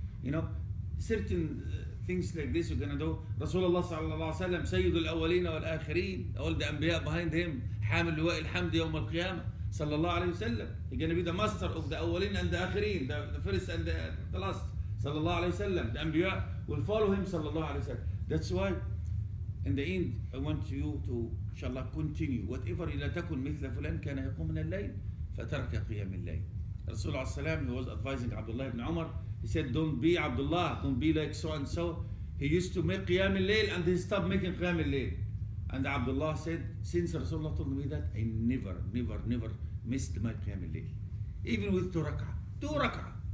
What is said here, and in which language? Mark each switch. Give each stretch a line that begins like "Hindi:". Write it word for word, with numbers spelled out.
English: You know, certain uh, things like this you're going to do. Rasulullah sallallahu alayhi wa sallam,
Arabic: Sayyid al-Awwaleen wal-Akhirin,
English: all the Anbiya behind him,
Arabic: Hamil liwa'i al-Hamd yawm al-Qiyamah.
English: Sallallahu alayhi wa sallam. He's going to be the master of the awwalin and the akhirin, the, the first and the, the last. Sallallahu alayhi wa sallam. The anbiya will follow him, sallallahu alayhi wa sallam. That's why, in the end, I want you to, inshallah, continue. Whatever
Arabic: لا تكن مثل فلان كان يقوم من الليل فترك قيام الليل.
English: Rasulullah sallallahu alayhi wa sallam, he was advising Abdullah ibn Umar. He said, don't be Abdullah, don't be like so and so. He used to make qiyam al-layl and he stopped making qiyam al-layl. And Abdullah said, since Rasulullah told me that, I never, never, never missed my Qiyam al-Layl. Even with two rak'ah. Two rak'ah.